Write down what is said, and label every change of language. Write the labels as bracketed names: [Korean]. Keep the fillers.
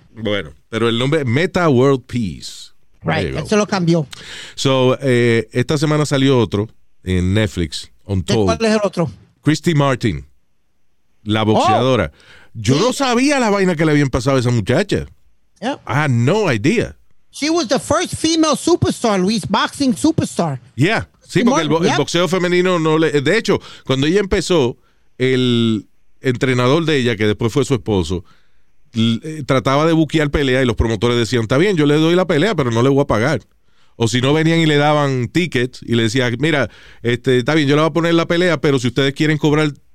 [Spanish] Bueno, pero el nombre Meta World Peace. Right, Legal. eso lo cambió. [English] So, [Spanish] eh, esta semana salió otro en Netflix. On ¿Cuál es el otro? Christy Martin, la boxeadora. Oh. Yo sí. no sabía la vaina que le habían pasado a esa muchacha. [English] Yeah. I had no idea. She was the first female superstar, Luis, boxing superstar. Yeah, [Spanish] sí, Tomorrow, porque el, bo- [English] yep. [Spanish] el, boxeo femenino no le. De hecho, cuando ella empezó, el entrenador de ella, que después fue su esposo, l- trataba de buquear pelea y los promotores decían: Está bien, yo le doy la pelea, pero no le voy a pagar. O si no venían y le daban tickets y le decían: Mira, este, está bien, yo le voy a poner la pelea, pero si ustedes quieren cobrar.